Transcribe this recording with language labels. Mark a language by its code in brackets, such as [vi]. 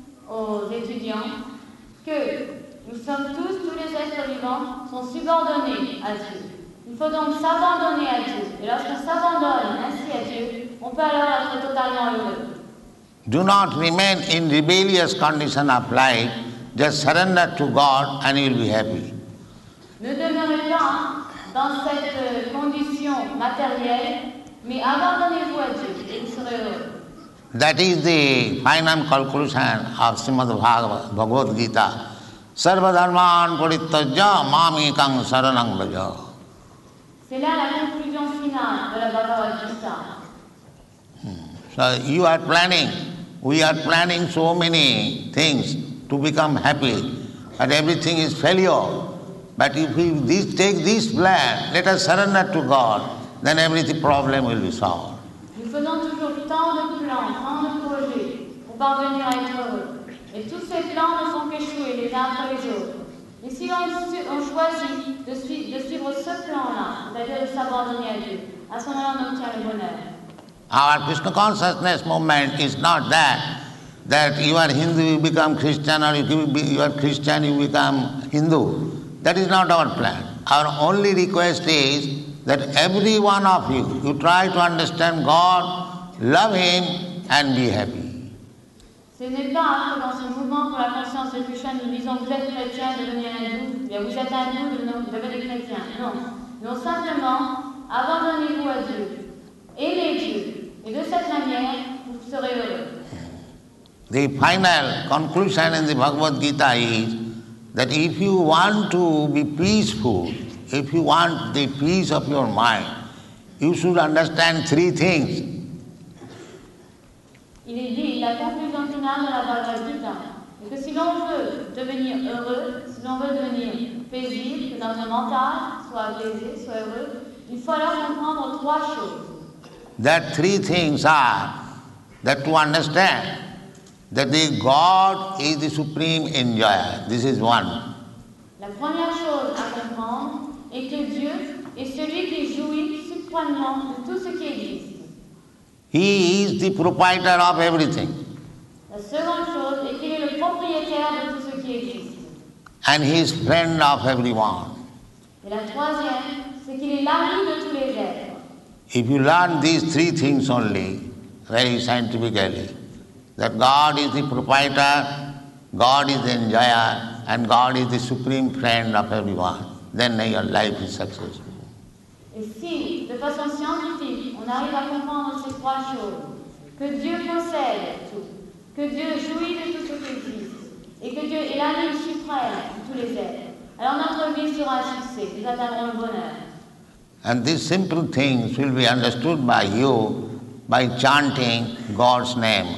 [fr] Aux étudiants que nous sommes tous les êtres vivants sont subordonnés à Dieu. Il faut donc s'abandonner à Dieu. Et lorsqu'on s'abandonne ainsi à Dieu, on peut alors être totalement heureux. [en] Do not remain in rebellious condition of life. Just surrender to God and you will be happy. [fr] Ne demeurez pas dans cette condition matérielle, mais abandonnez-vous à Dieu et vous serez heureux. [en] That is the final conclusion of Srimad Bhagavad Gita. [sa] Sarva dharman parityajya mamekam saranam vraja. [fr] C'est là la conclusion finale de la Bhagavad Gita. [en] So you are planning, we are planning so many things to become happy, but everything is failure. But if we take this plan, let us surrender to God, then every problem will be solved. [fr] Nous faisons toujours tant de plans, tant de projets pour parvenir à être heureux. Et tous ces plans ne font qu'échouer les uns après les autres. Et si on choisit de suivre ce plan-là, c'est-à-dire de s'abandonner à Dieu, à ce moment-là, on obtient le bonheur. [en] Our Krishna consciousness movement is not that. That you are Hindu, you become Christian, or you are Christian, you become Hindu. That is not our plan. Our only request is that every one of you, you try to understand God, love him, and be happy. [fr] Ce n'est pas que dans ce mouvement pour la conscience de Krishna, nous disons vous êtes chrétien, devenez hindou, vous êtes hindou, devenez chrétien. Non. Non, simplement, abandonnez-vous à Dieu. Aimez Dieu. Et de cette manière, vous serez heureux. [en] The final conclusion in the Bhagavad Gita is that if you want to be peaceful, if you want the peace of your mind, you should understand three things. [fr] Il est dit, la conclusion finale de la Bhagavad Gita, que si l'on veut devenir heureux, si l'on veut devenir paisible, que notre mental soit apaisé, soit heureux, il faut alors comprendre trois choses. [en] That three things are that to understand that the God is the supreme enjoyer. This is one. [fr] La première chose à comprendre est que Dieu est celui qui jouit suprêmement de tout ce qui existe. [en] He is the proprietor of everything. [fr] La seconde chose est qu'il est le propriétaire de tout ce qui existe. [en] And he is friend of everyone. [fr] Et la troisième, c'est qu'il est l'ami de tous les êtres. [en] If you learn these three things only, very scientifically, that God is the proprietor, God is the enjoyer, and God is the supreme friend of everyone, then your life is successful. [fr] Et si, de façon scientifique, on arrive à comprendre ces trois choses, que Dieu possède tout, que Dieu jouit de tout ce qui existe, et que Dieu est l'ami suprême de tous les êtres, alors notre vie sera un succès, nous atteindrons le bonheur. [en] And these simple things will be understood by you by chanting God's name.